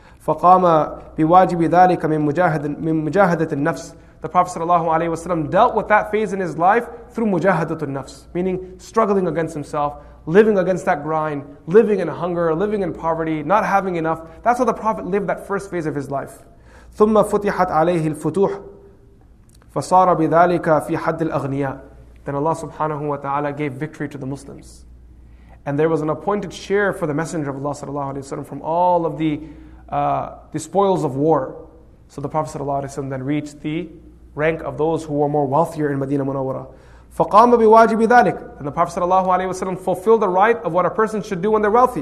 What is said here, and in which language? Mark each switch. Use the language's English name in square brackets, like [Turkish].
[Arabic] فَقَامَ بِوَاجِبِ ذَلِكَ مِن مُجَاهَدَةِ النَّفْسِ. [English] The Prophet sallallahu alaihi wasallam dealt with that phase in his life through mujahadatul nafs, meaning struggling against himself, living against that grind, living in hunger, living in poverty, not having enough. That's how the Prophet lived that first phase of his life. [Arabic] ثم فتحت عليه الفتوح فصار بذلك في حد الأغنياء. [English] Then Allah subhanahu wa ta'ala gave victory to the Muslims. And there was an appointed share for the Messenger of Allah sallallahu alayhi wa sallam from all of the spoils of war. So the Prophet sallallahu alayhi wa sallam then reached the rank of those who were more wealthier in Medina Munawwara. [Arabic] فَقَامَ بِوَاجِبِ ذَلِكَ [English] And the Prophet sallallahu alayhi wa sallam fulfilled the right of what a person should do when they're wealthy.